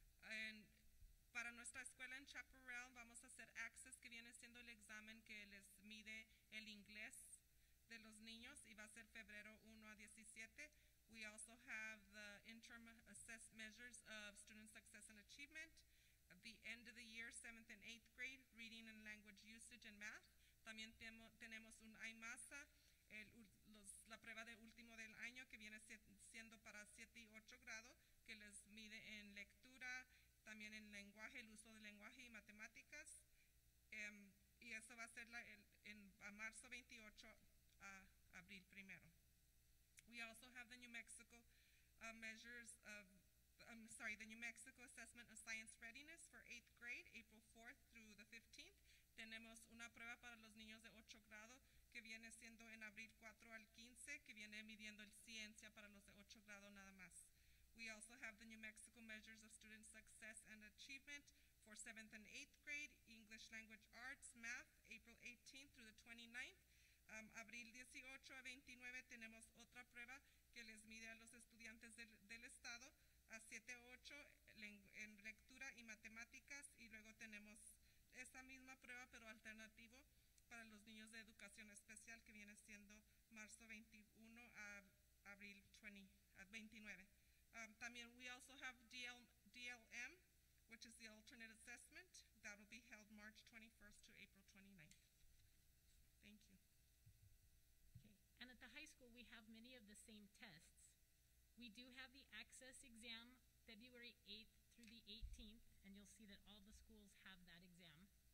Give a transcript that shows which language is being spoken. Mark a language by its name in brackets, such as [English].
[Spanish] And para nuestra escuela en Chaparral, vamos a hacer access, que viene siendo el examen que les mide el inglés de los niños, y va a ser febrero 1 a 17. [English] We also have the interim assess measures of student success and achievement, at the end of the year, 7th and 8th grade, reading and language usage and math. [Spanish] También tenemos un IMASA, la prueba de último del año, que viene siendo para 7 y 8 grado, que les mide en lectura, también en lenguaje, el uso del lenguaje y matemáticas. Y eso va a ser a marzo 28 a abril primero. [English] We also have the New Mexico the New Mexico Assessment of Science Readiness for 8th grade, April 4th through the 15th. [Spanish] Tenemos una prueba para los niños de 8 grado, que viene siendo en abril 4 al 15, que viene midiendo el ciencia para los de 8 grado nada más. [English] We also have the New Mexico Measures of Student Success and Achievement for 7th and 8th grade, English Language Arts, Math, April 18th through the 29th. [Spanish] Abril 18 a 29 tenemos otra prueba que les mide a los estudiantes del estado a 7 a 8 en lectura y matemáticas, y luego tenemos esa misma prueba pero alternativo para los niños de educación especial, que viene siendo marzo 21 a abril 29. [English] También we also have DLM, which is the alternate assessment, that will be held March 21st to April 29th. Thank you. Okay. And at the high school, we have many of the same tests. We do have the access exam February 8th through the 18th, and you'll see that all the schools have that exam.